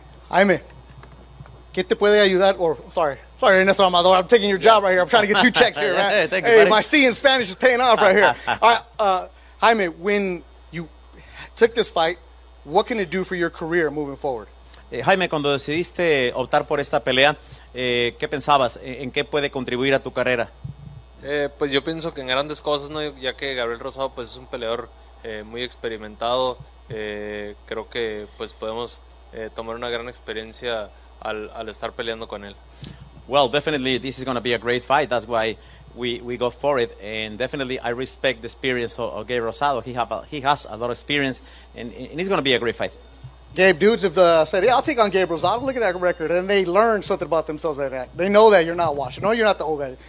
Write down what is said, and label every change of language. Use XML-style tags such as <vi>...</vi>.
<es>Jaime, ¿qué te puede ayudar?</es> <en>Sorry, Ernesto Amador, I'm taking your job right here. I'm trying to get two checks here, right? Hey, thank you, buddy. My C in Spanish is paying off right here. All right, Jaime, when you took this fight, what can it do for your career moving forward?</en> <es>Jaime, cuando decidiste optar por esta pelea, ¿qué pensabas? ¿En qué puede contribuir a tu carrera? Pues yo pienso que en grandes cosas, ¿no? Ya que Gabriel Rosado pues es un peleador muy experimentado, creo que pues podemos tomar una gran experiencia al estar peleando con él.</es> <en>Well, definitely, this is going to be a great fight. That's why we go for it. And definitely, I respect the experience of Gabe Rosado. He has a lot of experience, and it's going to be a great fight. Gabe, dudes have said, yeah, I'll take on Gabe Rosado. Look at that record. And they learned something about themselves like that. They know that you're not washed. No, you're not the old guy.</en>